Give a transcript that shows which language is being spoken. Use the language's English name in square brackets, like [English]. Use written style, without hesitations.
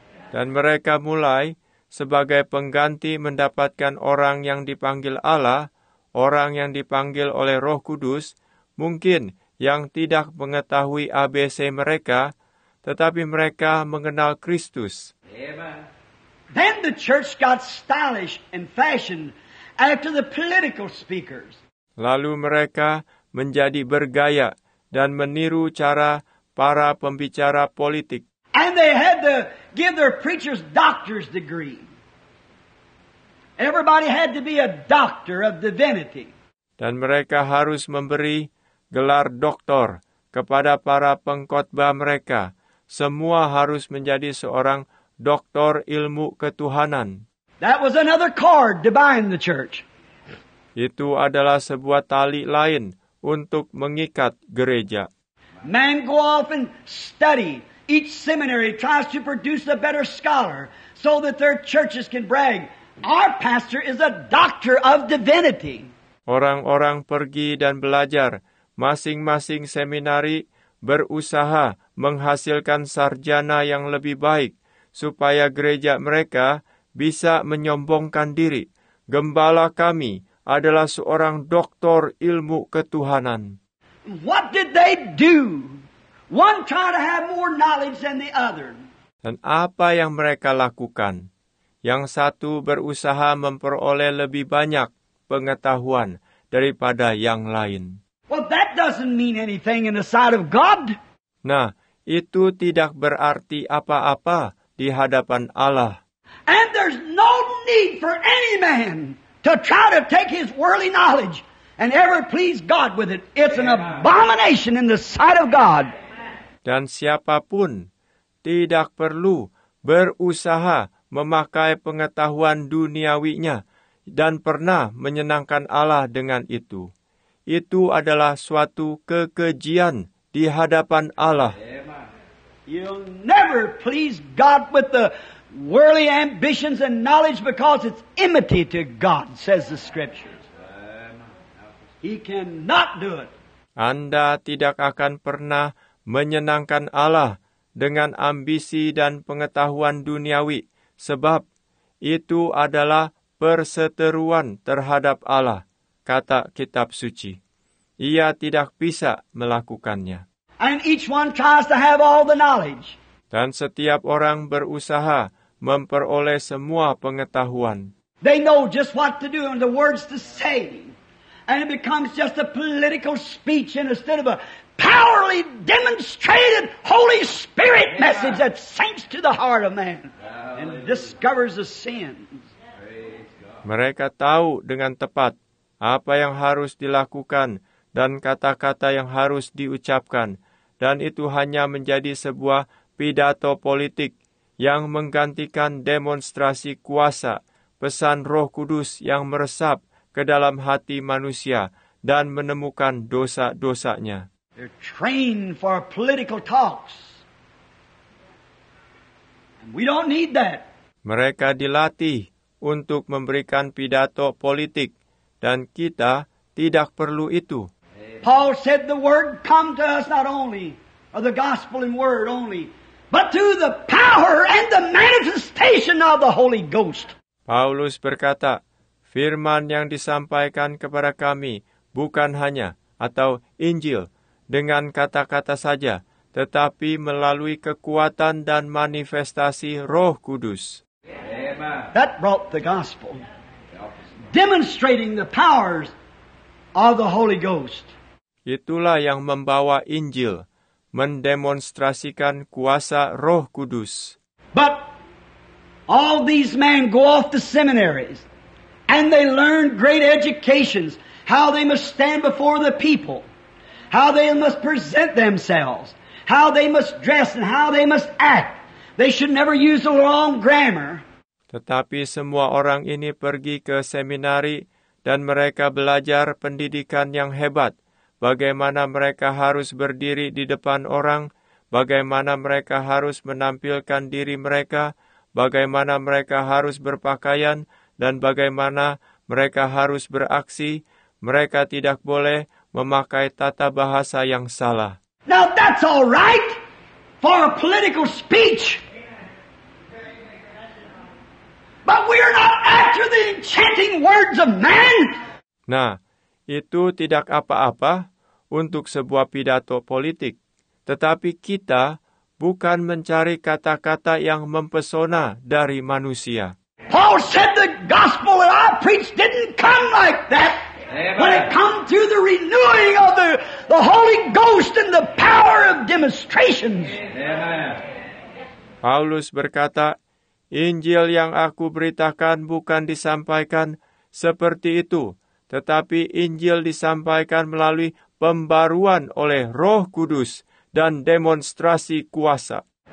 [Indonesian] Dan mereka mulai sebagai pengganti mendapatkan orang yang dipanggil Allah, orang yang dipanggil oleh Roh Kudus, mungkin yang tidak mengetahui ABC mereka, tetapi mereka mengenal Kristus. Amen. [English] Then the church got stylish and fashioned after the political speakers. [Indonesian] Lalu mereka menjadi bergaya dan meniru cara para pembicara politik. [English] And they had to give their preachers doctor's degree. Everybody had to be a doctor of divinity. [Indonesian] Dan mereka harus memberi gelar doktor kepada para pengkhotbah mereka. Semua harus menjadi seorang Doktor ilmu ketuhanan. [English] That was another cord to bind the church. [Indonesian] Itu adalah sebuah tali lain untuk mengikat gereja. [English] Man go off and study. Each seminary tries to produce a better scholar so that their churches can brag. Our pastor is a doctor of divinity. [Indonesian] Orang-orang pergi dan belajar. Masing-masing seminari berusaha menghasilkan sarjana yang lebih baik, supaya gereja mereka bisa menyombongkan diri. Gembala kami adalah seorang doktor ilmu ketuhanan. [English] What did they do? One tried to have more knowledge than the other. [Indonesian] Dan apa yang mereka lakukan? Yang satu berusaha memperoleh lebih banyak pengetahuan daripada yang lain. [English] Well, that doesn't mean anything in the sight of God. [Indonesian] Nah, itu tidak berarti apa-apa di hadapan Allah. [English] And there's no need for any man to try to take his worldly knowledge and ever please God with it. It's an abomination in the sight of God. [Indonesian] Dan siapapun tidak perlu berusaha memakai pengetahuan duniawinya dan pernah menyenangkan Allah dengan itu. Itu adalah suatu kekejian di hadapan Allah. [English] You'll never please God with the worldly ambitions and knowledge because it's enmity to God, says the Scriptures. He cannot do it. [Indonesian] Anda tidak akan pernah menyenangkan Allah dengan ambisi dan pengetahuan duniawi, sebab itu adalah perseteruan terhadap Allah, kata Kitab Suci. Ia tidak bisa melakukannya. [English] And each one tries to have all the knowledge. [Indonesian] Dan setiap orang berusaha memperoleh semua pengetahuan. [English] They know just what to do and the words to say. And it becomes just a political speech instead of a powerfully demonstrated Holy Spirit message that sinks to the heart of man and discovers the sins. [Indonesian] Mereka tahu dengan tepat apa yang harus dilakukan dan kata-kata yang harus diucapkan, dan itu hanya menjadi sebuah pidato politik yang menggantikan demonstrasi kuasa, pesan Roh Kudus yang meresap ke dalam hati manusia dan menemukan dosa-dosanya. [English] They're trained for political talks. And we don't need that. [Indonesian] Mereka dilatih untuk memberikan pidato politik, dan kita tidak perlu itu. [English] Paul said the word come to us not only, or the gospel in word only, but to the power and the manifestation of the Holy Ghost. [Indonesian] Paulus berkata, firman yang disampaikan kepada kami bukan hanya, atau Injil, dengan kata-kata saja, tetapi melalui kekuatan dan manifestasi Roh Kudus. Amen. [English] That brought the gospel, demonstrating the powers of the Holy Ghost. [Indonesian] Itulah yang membawa Injil, mendemonstrasikan kuasa Roh Kudus. [English] But all these men go off to seminaries, and they learn great educations, how they must stand before the people, how they must present themselves, how they must dress, and how they must act. They should never use the wrong grammar. [Indonesian] Tetapi semua orang ini pergi ke seminari, dan mereka belajar pendidikan yang hebat. Bagaimana mereka harus berdiri di depan orang, bagaimana mereka harus menampilkan diri mereka, bagaimana mereka harus berpakaian, dan bagaimana mereka harus beraksi. Mereka tidak boleh memakai tata bahasa yang salah. [English] Now that's all right for a political speech. But we are not after the enchanting words of man. [Indonesian] Nah, itu tidak apa-apa untuk sebuah pidato politik. Tetapi kita bukan mencari kata-kata yang mempesona dari manusia. [English] Paul said the gospel that I preached didn't come like that. When it come to the renewing of the Holy Ghost and the power of demonstrations. [Indonesian] Paulus berkata, Injil yang aku beritakan bukan disampaikan seperti itu, tetapi Injil disampaikan melalui pembaruan oleh Roh Kudus dan demonstrasi kuasa.